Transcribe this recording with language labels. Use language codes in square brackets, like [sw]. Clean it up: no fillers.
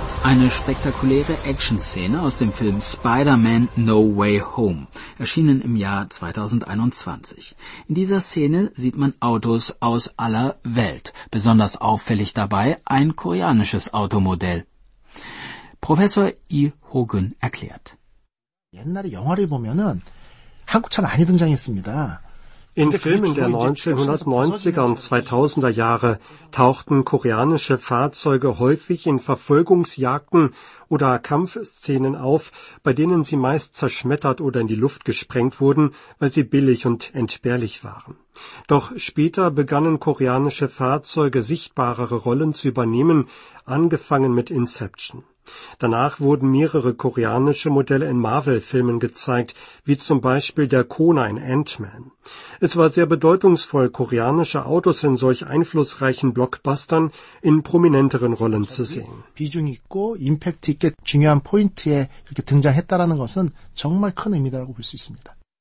[de] Eine spektakuläre Actionszene aus dem Film Spider-Man No Way Home, erschienen im Jahr 2021. In dieser Szene sieht man Autos aus aller Welt. Besonders auffällig dabei ein koreanisches Automodell. Professor Lee Ho-gun erklärt. [ko] 옛날에 영화를 보면은 한국차는 많이 등장했습니다. [de] In Filmen der 1990er und 2000er Jahre tauchten koreanische Fahrzeuge häufig in Verfolgungsjagden oder Kampfszenen auf, bei denen sie meist zerschmettert oder in die Luft gesprengt wurden, weil sie billig und entbehrlich waren. Doch später begannen koreanische Fahrzeuge sichtbarere Rollen zu übernehmen, angefangen mit Inception. Danach wurden mehrere koreanische Modelle in Marvel-Filmen gezeigt, wie zum Beispiel der Kona in Ant-Man. Es war sehr bedeutungsvoll, koreanische Autos in solch einflussreichen Blockbustern in prominenteren Rollen zu sehen. [ko] 비중 있고 임팩트 있게 중요한 포인트에 이렇게 등장했다라는 것은 정말 큰 의미라고 볼 수 있습니다.